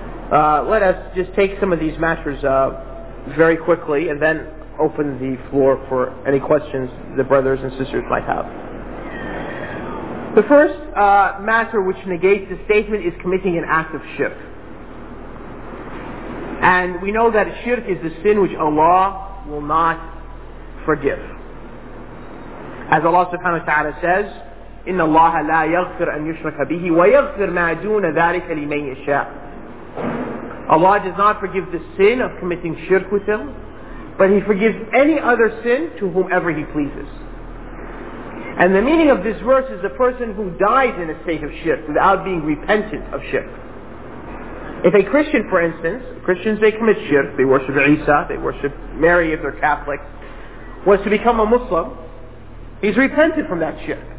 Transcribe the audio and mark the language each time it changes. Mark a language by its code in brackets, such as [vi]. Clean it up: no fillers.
[en] Let us just take some of these matters very quickly, and then open the floor for any questions the brothers and sisters might have. The first matter which negates the statement is committing an act of shirk. And we know that shirk is the sin which Allah will not forgive. As Allah subhanahu wa ta'ala says, [ar] إِنَّ اللَّهَ لَا يَغْفِرْ أَنْ يُشْرَكَ بِهِ وَيَغْفِرْ مَا دُونَ ذَٰلِكَ لِمَنْ يَشَاءُ. [en] Allah does not forgive the sin of committing shirk with Him, but He forgives any other sin to whomever He pleases. And the meaning of this verse is a person who dies in a state of shirk without being repentant of shirk. If a Christian, for instance, Christians, they commit shirk, they worship Isa, they worship Mary if they're Catholic, was to become a Muslim, he's repented from that shirk.